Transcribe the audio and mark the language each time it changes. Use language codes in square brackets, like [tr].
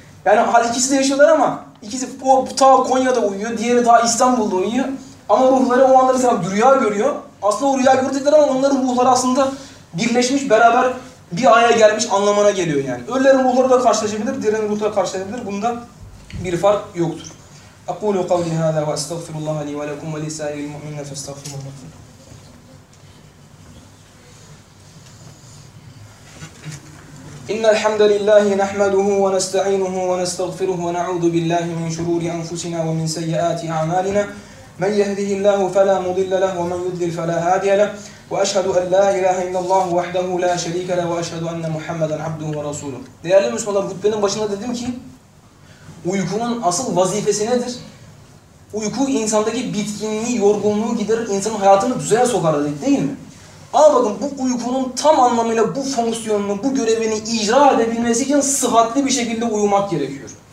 [tr] Yani ikisi de yaşıyorlar ama ikisi o ta Konya'da uyuyor. Diğeri daha İstanbul'da uyuyor. Ama ruhları o anda mesela rüya görüyor. Aslında o rüya gördükler ama onların ruhları aslında birleşmiş beraber bir aya gelmiş anlamına geliyor yani. Ölülerin ruhları da karşılaşabilir, dirilerin ruhları da karşılaşabilir. Bunda bir fark yoktur. [ar] أقول قولي هذا وأستغفر الله لي ولكم ولسائر المؤمنين فاستغفروه إن الحمد لله نحمده ونستعينه ونستغفره ونعوذ بالله من شرور أنفسنا ومن سيئات أعمالنا من يهده الله فلا مضل له ومن يضلل فلا هادي له وأشهد أن لا إله إلا الله وحده لا شريك له وأشهد أن محمدا عبده ورسوله. [tr] Değerli Müslümanlar, hutbenin başında dedim ki uykunun asıl vazifesi nedir? Uyku insandaki bitkinliği, yorgunluğu giderir, insanın hayatını düzene sokar dedik, değil mi? Ama bakın, bu uykunun tam anlamıyla bu fonksiyonunu, bu görevini icra edebilmesi için sıhhatli bir şekilde uyumak gerekiyor.